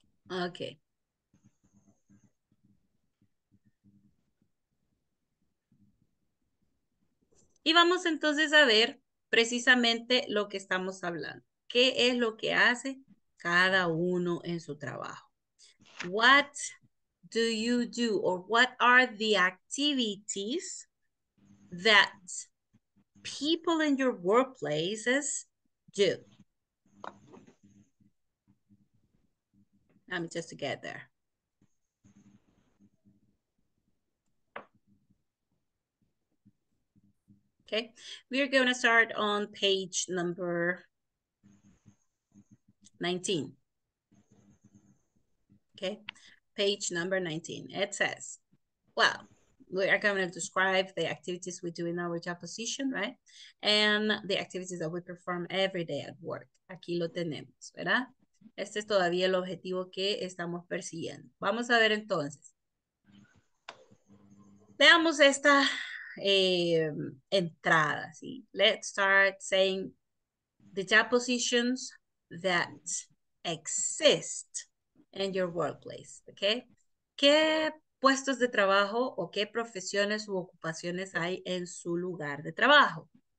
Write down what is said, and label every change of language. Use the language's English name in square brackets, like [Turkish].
[Spanish] Ok. Y vamos entonces a ver precisamente lo que estamos hablando. ¿Qué es lo que hace cada uno en su trabajo? [English] What do you do or what are the activities that people in your workplaces do? I'm just to get there. Okay, we're going to start on page number 19. Okay, page number 19. It says, well, we are going to describe the activities we do in our job position, right? And the activities that we perform every day at work. [Spanish] Aquí lo tenemos, ¿verdad? Este es todavía el objetivo que estamos persiguiendo. Vamos a ver entonces. Veamos esta entrada, ¿sí? [English] Let's start saying the job positions that exist in your workplace, okay? [Spanish] ¿Qué puestos de trabajo o qué profesiones u ocupaciones hay en su lugar de trabajo?